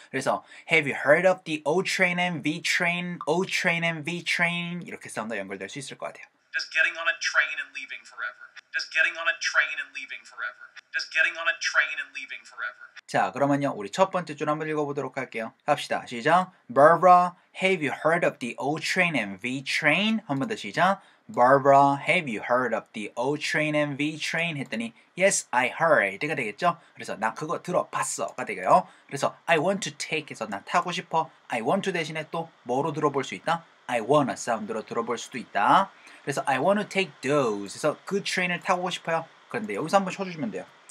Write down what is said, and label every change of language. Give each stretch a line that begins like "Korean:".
English: 그래서 Have you heard of the O train and V train? O train and V train
Korean: 이렇게 사운드 연결될 수 있을 것 같아요.
English: Just getting on a train and leaving forever. Just getting on a train and leaving forever. Just getting on a train and leaving forever.
Korean: 자, 그러면요, 우리 첫 번째 줄 한번 읽어보도록 할게요. 갑시다. 시작.
English: Barbara, have you heard of the O train and V train?
Korean: 한번 더 시작.
English: Barbara, have you heard of the O train and V train?
Korean: 했더니,
English: Yes, I heard.
Korean: 가 되겠죠? 그래서, 나 그거 들어봤어.가 되겠죠? 그래서,
English: I want to take
Korean: 해서, 나 타고 싶어.
English: I want to
Korean: 대신에 또, 뭐로 들어볼 수 있다?
English: I wanna
Korean: 사운드로 들어볼 수도 있다. 그래서,
English: I want to take those.
Korean: 해서, 그 트레인을 타고 싶어요. 그런데, 여기서 한번 쳐주시면 돼요.